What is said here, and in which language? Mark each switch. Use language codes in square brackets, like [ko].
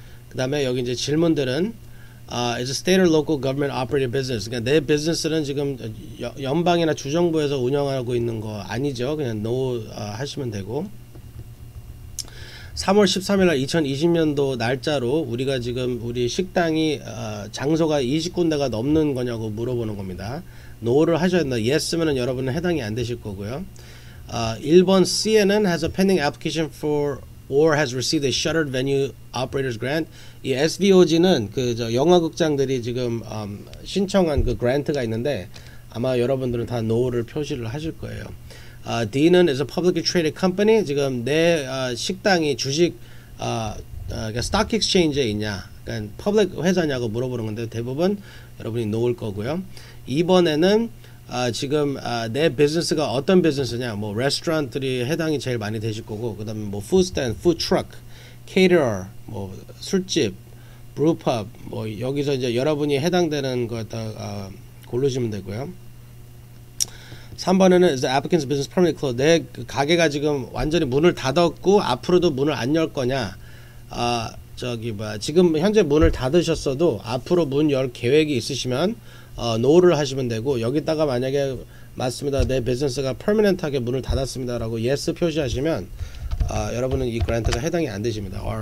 [ko] 그 다음에 여기 이제 질문들은, [en] is a state or local government operated business. [ko] 그러니까 내 비즈니스는 지금 연방이나 주정부에서 운영하고 있는 거 아니죠. 그냥 no 하시면 되고. 3월 13일 날 2020년도 날짜로 우리가 지금 우리 식당이 장소가 20군데가 넘는 거냐고 물어보는 겁니다. no를 하셔야 된다. yes면은 여러분은 해당이 안 되실 거고요. 1번 C에는 [en] has a pending application for or has received a shuttered venue operators grant. [ko] 이 SVOG는 그저 영화극장들이 지금 신청한 그 그랜트가 있는데, 아마 여러분들은 다 노를 표시를 하실 거예요. D는 [en] is a publicly traded company. [ko] 지금 내 식당이 주식 그러니까 stock exchange에 있냐, 그러니까 public 회사냐고 물어보는 건데, 대부분 여러분이 노일 거고요. 2번에는 지금 내 비즈니스가 어떤 비즈니스냐, 뭐 레스토랑들이 해당이 제일 많이 되실 거고, 그 다음에 뭐 푸드스탠드, 푸드트럭, 케이터러, 뭐 술집, 브루펍, 뭐 여기서 이제 여러분이 해당되는 거 갖다 고르시면 되고요. 3번에는 [en] is the applicant's business permanently closed. [ko] 내 가게가 지금 완전히 문을 닫았고 앞으로도 문을 안열 거냐, 저기 뭐야, 지금 현재 문을 닫으셨어도 앞으로 문열 계획이 있으시면 노를 하시면 되고, 여기다가 만약에 맞습니다, 내 비즈니스가 퍼미넌트하게 문을 닫았습니다라고 예스 표시하시면 여러분은 이 그랜트가 해당이 안 되십니다.